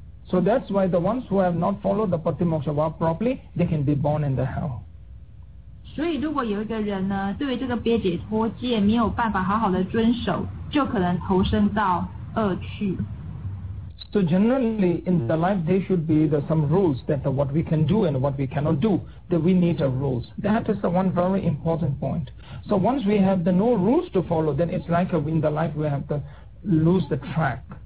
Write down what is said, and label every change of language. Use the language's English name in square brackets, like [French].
[English] So that's why the ones who have not followed the pratimoksha vow properly, they can be born in the hell. [Chinese] 所以如果有一个人呢，对于这个别解脱戒没有办法好好的遵守，就可能投身到恶趣。 [English] So generally in the life there should be the some rules that what we can do and what we cannot do, that we need a rules. That is the one very important point. So once we have the no rules to follow, then it's like in the life we have to lose the track.